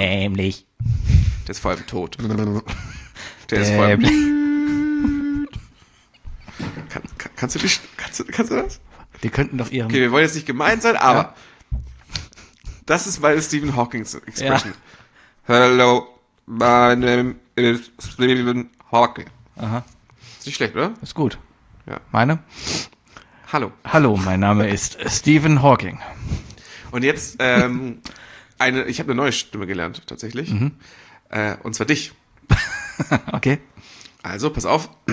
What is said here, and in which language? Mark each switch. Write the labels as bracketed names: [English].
[German] Dämlich. Der ist vor allem tot. Der ist vor allem... Kannst du das? Die könnten doch ihren... Okay, wir wollen jetzt nicht gemein sein, aber... Ja. Das ist meine Stephen Hawking's Expression. Ja. [English] Hello, my name is Stephen Hawking. Aha. [German] Ist nicht schlecht, oder? Ist gut. Ja. Meine? Hallo. Hallo, mein Name ist Stephen Hawking. Und jetzt, ich habe eine neue Stimme gelernt, tatsächlich. Mhm. Und zwar dich. Okay. Also, pass auf.